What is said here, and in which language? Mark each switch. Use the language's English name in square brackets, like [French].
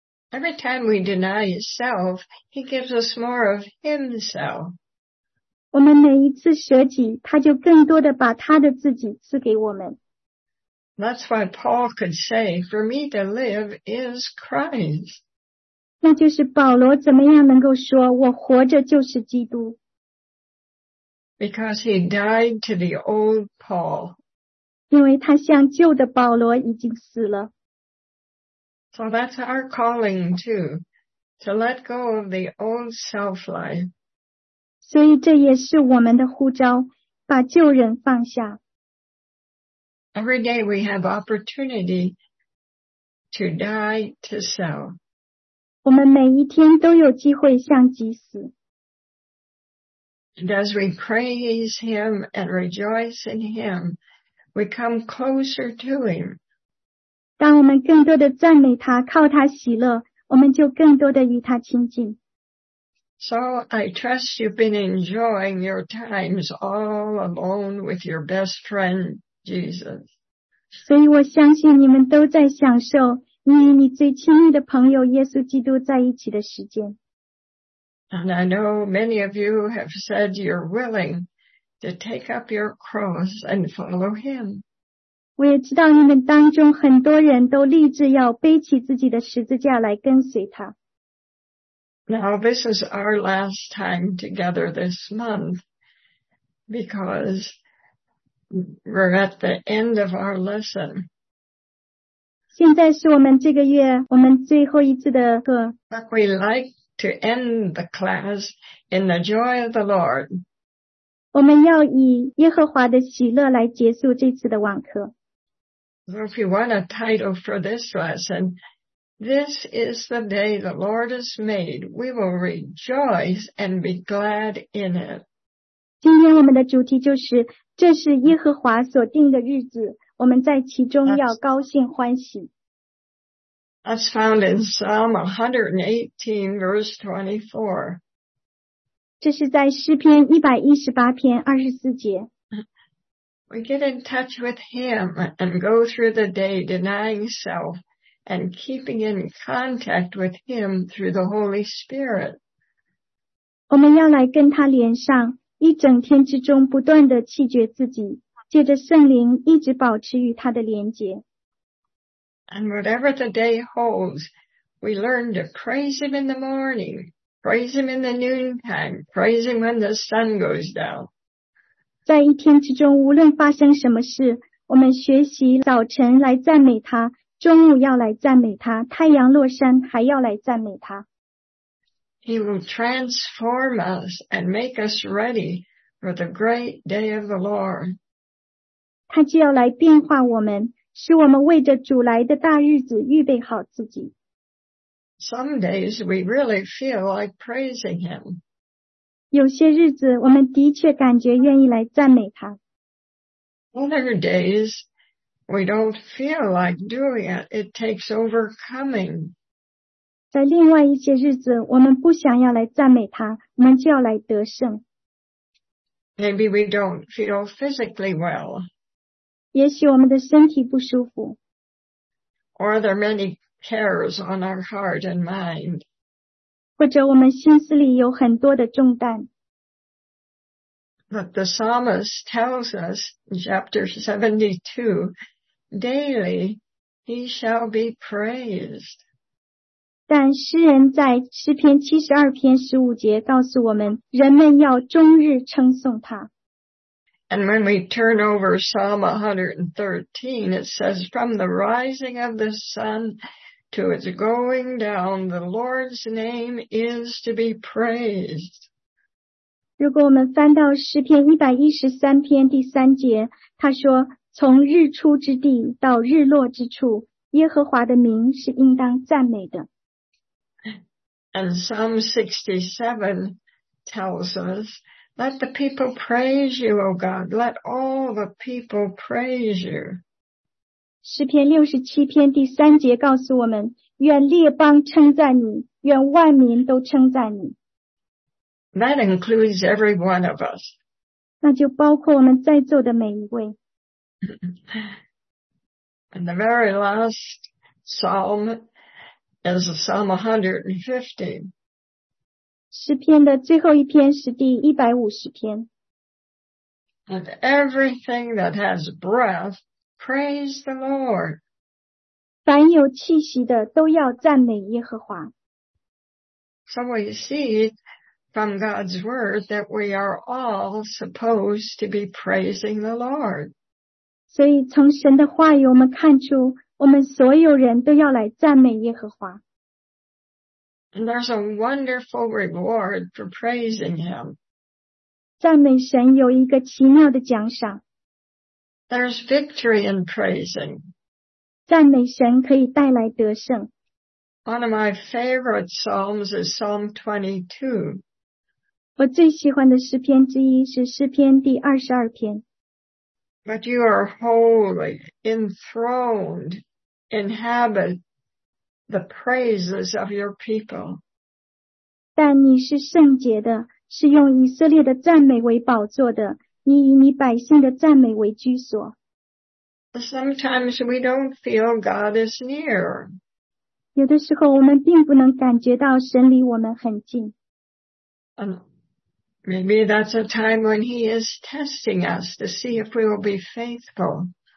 [English] Every time we deny self, he gives us more of himself. [Chinese] 我们每一次舍己，他就更多的把他的自己赐给我们。 [English] That's why Paul could say, for me to live is Christ. [Chinese] 那就是保罗怎么样能够说，我活着就是基督。 [English] Because he died to the old Paul. [Chinese] 因为他向旧的保罗已经死了。 [English] So that's our calling too, to let go of the old self life. [Chinese] 所以这也是我们的呼召，把旧人放下。 [English] Every day we have opportunity to die to self. [Chinese] 我们每一天都有机会向己死。 [English] And as we praise him and rejoice in him, we come closer to him. [Chinese] 当我们更多的赞美他，靠他喜乐，我们就更多的与他亲近。 [English] So I trust you've been enjoying your times all alone with your best friend, Jesus. [Chinese] 所以我相信你们都在享受你最亲密的朋友耶稣基督在一起的时间。 [English] And I know many of you have said you're willing to take up your cross and follow him. [Chinese] 我也知道你们当中很多人都立志要背起自己的十字架来跟随他。 [English] Now this is our last time together this month because we're at the end of our lesson. [Chinese] 现在是我们这个月我们最后一次的课。 [English] But we like to end the class in the joy of the Lord. [Chinese] 我们要以耶和华的喜乐来结束这次的网课。 [English] So if you want a title for this lesson, this is the day the Lord has made. We will rejoice and be glad in it. [Chinese] 今天我们的主题就是这是耶和华所定的日子，我们在其中要高兴欢喜。 [English] That's found in Psalm 118, verse 24. [Chinese] 这是在诗篇118篇24节。 [English] We get in touch with him and go through the day denying self and keeping in contact with him through the Holy Spirit. [Chinese] 我们要来跟他连上，一整天之中不断地弃绝自己，借着圣灵一直保持与他的连结。 [English] And whatever the day holds, we learn to praise him in the morning, praise him in the noontime, praise him when the sun goes down. [Chinese] 在一天之中，无论发生什么事，我们学习早晨来赞美他，中午要来赞美他，太阳落山还要来赞美他。 [English] He will transform us and make us ready for the great day of the Lord. [Chinese] 他就要来变化我们，使我们为着主来的大日子预备好自己。 [English] Some days we really feel like praising him. [Chinese] 有些日子我们的确感觉愿意来赞美他。 [English] Other days we don't feel like doing it. It takes overcoming. [Chinese] 在另外一些日子我们不想要来赞美他，我们就要来得胜。 [English] Maybe we don't feel physically well. [Chinese] 也许我们的身体不舒服。 [English] Or are there many cares on our heart and mind? [Chinese] 或者我们心思里有很多的重担。 [English] But the psalmist tells us in chapter 72, daily he shall be praised. [Chinese] 但诗人在诗篇72篇15节告诉我们，人们要终日称颂他。 [English] And when we turn over Psalm 113, it says, from the rising of the sun to its going down, the Lord's name is to be praised. [Chinese] 如果我们翻到诗篇113篇第三节，他说，从日出之地到日落之处，耶和华的名是应当赞美的。 [English] And Psalm 67 tells us, let the people praise you, O God, let all the people praise you. [Chinese] 诗篇67篇第三节告诉我们，愿列邦称赞你，愿万民都称赞你。 [English] That includes every one of us. [Chinese] 那就包括我们在座的每一位。 [English] And the very last psalm is Psalm 150. [Chinese] 诗篇的最后一篇是第150篇。 [English] And everything that has breath, praise the Lord. [Chinese] 凡有气息的都要赞美耶和华。 [English] So we see from God's word that we are all supposed to be praising the Lord. [Chinese] 所以从神的话语我们看出我们所有人都要来赞美耶和华。 [English] And there's a wonderful reward for praising him. [Chinese] 赞美神有一个奇妙的奖赏。 [English] There's victory in praising. [Chinese] 赞美神可以带来得胜。 [English] One of my favorite psalms is Psalm 22. [Chinese] 我最喜欢的诗篇之一是诗篇第22篇。 [English] But you are holy, enthroned, inhabit the praises of your people. [Chinese] 但你是圣洁的，是用以色列的赞美为宝座的，你以你百姓的赞美为居所。 [English] Sometimes we don't feel God is near. [Chinese] 有的时候我们并不能感觉到神离我们很近。 [English] Maybe that's a time when he is testing us to see if we will be faithful.